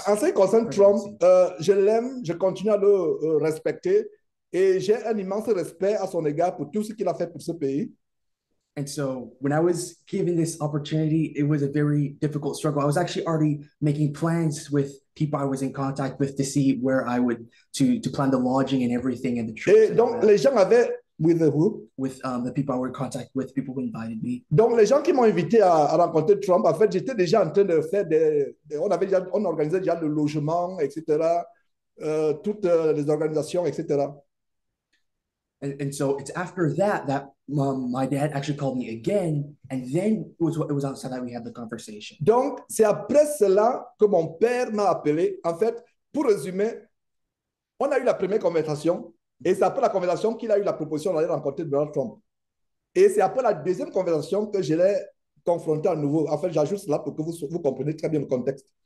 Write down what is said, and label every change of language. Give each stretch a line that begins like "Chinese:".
French: en ce qui concerne Trump,
English: presidency.
French: je l'aime, je continue à le respecter et j'ai un immense respect à son égard pour tout ce qu'il a fait pour ce pays.
English: And so when I was given this opportunity, it was a very difficult struggle. I was actually already making plans with people I was in contact with to see where I would to plan the lodging and everything and the trips
French: Et
English: and all
French: donc, les
English: that
French: gens avaient,
English: with who? with the people I were in contact with, people who invited me.
French: Donc, les gens qui m'ont invité à rencontrer Trump, en fait, j'étais déjà en train de faire on organisait déjà le logement, etc., toutes les organisations, etc. And so it's after that my dad actually called me again, and then it was outside that we had the conversation. Donc, c'est après cela que mon père m'a appelé. En fait, pour résumer, on a eu la première conversation. Et c'est après la conversation qu'il a eu la proposition d'aller rencontrer Donald Trump. Et c'est après la deuxième conversation que je l'ai confronté à nouveau. En fait, j'ajoute cela pour que vous compreniez très bien le contexte.